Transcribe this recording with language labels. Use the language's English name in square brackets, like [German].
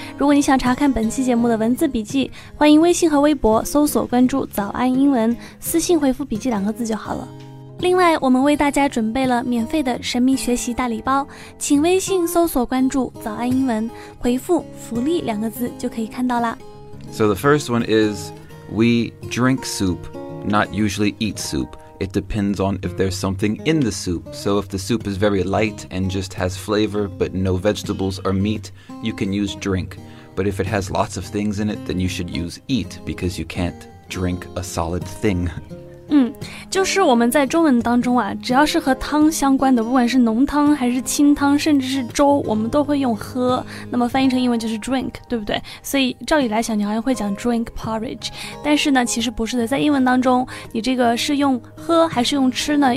[Chinese] 如果你想查看本期节目的文字笔记，欢迎微信和微博搜索关注“早安英文”，私信回复“笔记”两个字就好了。另外，我们为大家准备了免费的神秘学习大礼包，请微信搜索关注“早安英文”，回复“福利”两个字就可以看到啦。 [English] So the first one is, we drink soup, not usually eat soup. It depends on if there's something in the soup. So if the soup is very light and just has flavor but no vegetables or meat, you can use drink. But if it has lots of things in it, then you should use eat because you can't drink a solid thing. [Chinese] 就是我们在中文当中啊，只要是和汤相关的，不管是浓汤还是清汤，甚至是粥，我们都会用喝。那么翻译成英文就是 drink, 对不对？所以照理来讲，你好像会讲 drink porridge, 但是呢，其实不是的。在英文当中，你这个是用喝还是用吃呢？